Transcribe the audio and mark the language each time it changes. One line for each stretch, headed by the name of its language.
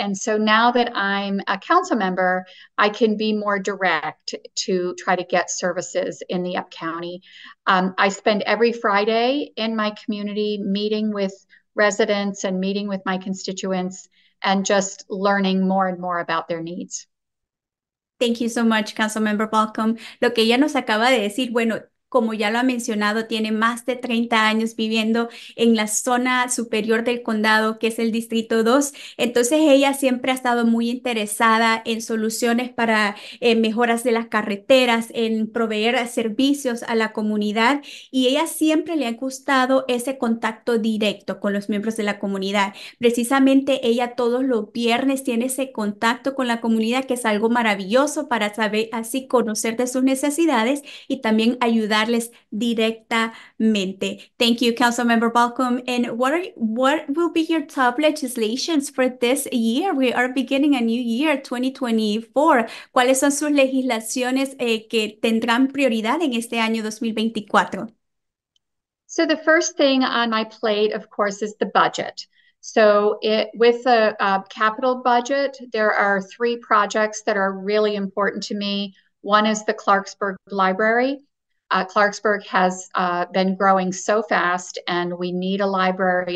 English: And so now that I'm a council member, I can be more direct to try to get services in the Up County. I spend every Friday in my community meeting with residents and meeting with my constituents and just learning more and more about their needs. Thank you so much, Councilmember Balcombe.
Spanish: Lo que ella nos acaba de decir, bueno, como ya lo ha mencionado, tiene más de 30 años viviendo en la zona superior del condado, que es el Distrito 2. Entonces, ella siempre ha estado muy interesada en soluciones para mejoras de las carreteras, en proveer servicios a la comunidad. Y ella siempre le ha gustado ese contacto directo con los miembros de la comunidad. Precisamente, ella todos los viernes tiene ese contacto con la comunidad, que es algo maravilloso para saber, así conocer de sus necesidades y también ayudar darles directamente.
English: Thank you, Councilmember Balcombe. And what will be your top legislations for this year? We are beginning a new year, 2024.
Spanish: ¿Cuáles son sus legislaciones que tendrán prioridad en este año 2024?
English: So the first thing on my plate, of course, is the budget. So it with a capital budget, there are three projects that are really important to me. One is the Clarksburg Library. Clarksburg has been growing so fast, and we need a library.